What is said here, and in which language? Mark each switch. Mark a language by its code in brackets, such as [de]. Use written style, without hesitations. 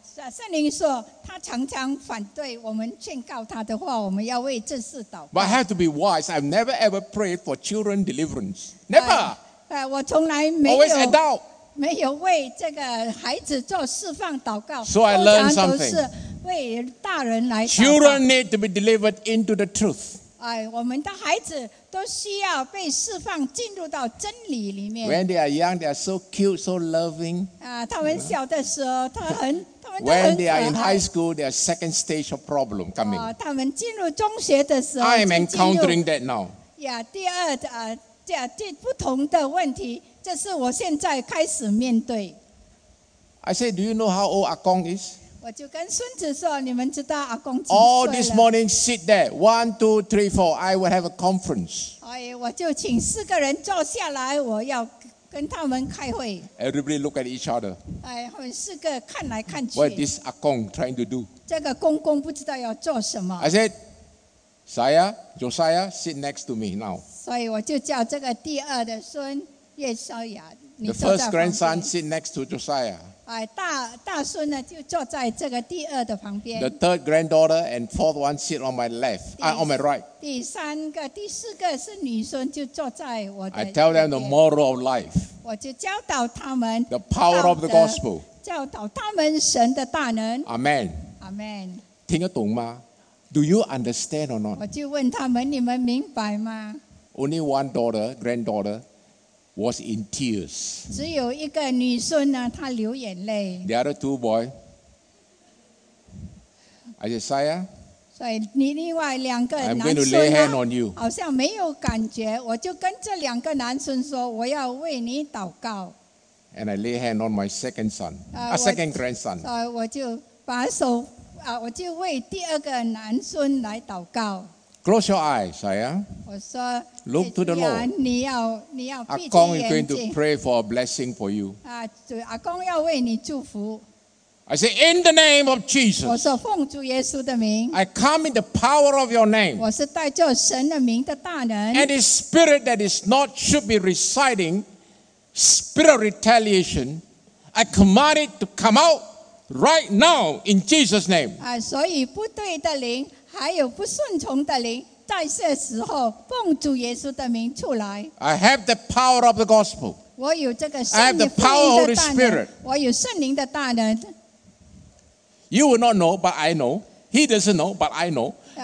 [zh] 圣灵说他常常反对我们劝告他的话，我们要为这事祷告。 [en] But I have to be wise. I've never ever prayed for children deliverance. Never. [zh] 我从来没有。 [en] Always adult. [zh] 没有为这个孩子做释放祷告。 [en] So I learned something. [zh] 通常都是为大人来祷告。 [en] Children need to be delivered into the truth. [zh] 我们的孩子都需要被释放进入到真理里面。 [en] When they are young, they are so cute, so loving. [zh] 他们小的时候，他很。 [en] When they are in high school, there is second stage of problem coming. [zh] 他们进入中学的时候， [en] I am encountering that now. [zh] Yeah, 第二的不同的问题，这是我现在开始面对。 [en] I say, do you know how old 阿公 is? [zh] 我就跟孙子说，你们知道阿公几岁 [en] 了。All this morning, sit there. 1, 2, 3, 4. I will have a conference. [zh] 我就请四个人坐下来，我要。跟他们开会。 [en] Everybody look at each other. [zh] 他们四个看来看去。 [en] What is this 阿公 trying to do? [zh] 这个公公不知道要做什么。 [en] I said, Saya, Josiah, sit next to me now. [zh] 所以我就叫这个第二的孙叶绍雅，你坐在旁边。 [en] The first grandson sit next to Josiah. [zh] 大孙呢就坐在这个第二的旁边。 [en] The third granddaughter and fourth one sit on my left. On my right. [zh] 第三个、第四个是女孙，就坐在我的。 [en] I tell them the moral of life. [zh] 我就教导他们。 [en] The power of the gospel. [zh] 教导他们神的大能。 [en] Amen. Amen. [zh] 听得懂吗 [en] ？Do you understand or not? [zh] 我就问他们：你们明白吗 [en] ？Only one daughter, granddaughter. Was in tears. [zh] 只有一个女孙呢，她流眼泪。 [en] The other two boy, I said, Saya. [zh] 所以你另外两个男孙 [en] I'm going to lay hand on you. [zh] 好像没有感觉，我就跟这两个男孙说，我要为你祷告。 [en] And I lay hand on my second son, a second grandson. [zh] 所以我就把手我就为第二个男孙来祷告。 [en] Close your eyes, Saya. Look to the Lord. [zh] 你要闭着眼睛。 [en] 阿公 is going to pray for a blessing for you. [zh] 阿公要为你祝福。 [en] I say, in the name of Jesus. [zh] 我说奉主耶稣的名。 [en] I come in the power of your name. [zh] 我是带着神的名的大能。 [en] Any spirit that is not should be residing, spirit of retaliation, I command it to come out right now in Jesus' name. [zh] 所以不对的灵。还有不顺从的灵，在这时候奉主耶稣的名出来。 [en] I have the power of the gospel. [zh] 我有这个圣灵的大能。 [en] I have the power of the Spirit. [zh] 我有圣灵的大能。 [en] You will not know, but I know. He doesn't know, but I know.